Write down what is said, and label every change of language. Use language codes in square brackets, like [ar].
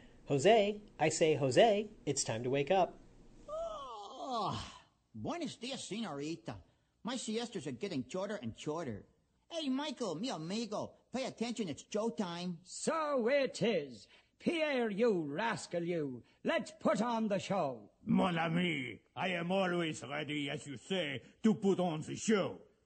[en] Jose, I say Jose, it's time to wake up. [es] Oh, buenos días, señorita. [en] My siestas are getting shorter and shorter. Hey, Michael, [es] mi amigo, [en] pay attention, it's Joe time. So it is. Pierre, you rascal, you. Let's put on the show. [fr] Mon ami, [en] I am always ready, as you say, to put on the show.